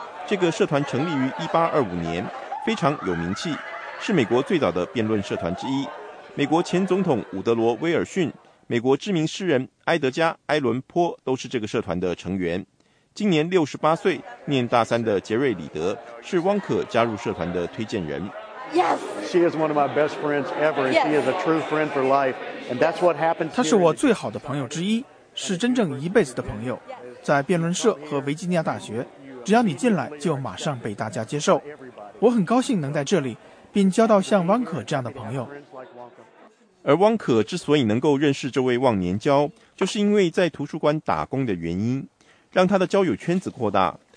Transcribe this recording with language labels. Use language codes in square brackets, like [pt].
[zh] 这个社团成立于1825年，非常有名气，是美国最早的辩论社团之一。美国前总统伍德罗·威尔逊、美国知名诗人埃德加·埃伦坡都是这个社团的成员。今年68岁、念大三的杰瑞·里德是汪可加入社团的推荐人。 [en] Yes. She is one of my best friends ever. She is a true friend for life, and that's what happens. [zh] 她是我最好的朋友之一，是真正一辈子的朋友。在辩论社和维吉尼亚大学，只要你进来，就马上被大家接受。我很高兴能在这里，并交到像汪可这样的朋友。而汪可之所以能够认识这位忘年交，就是因为在图书馆打工的原因，让他的交友圈子扩大。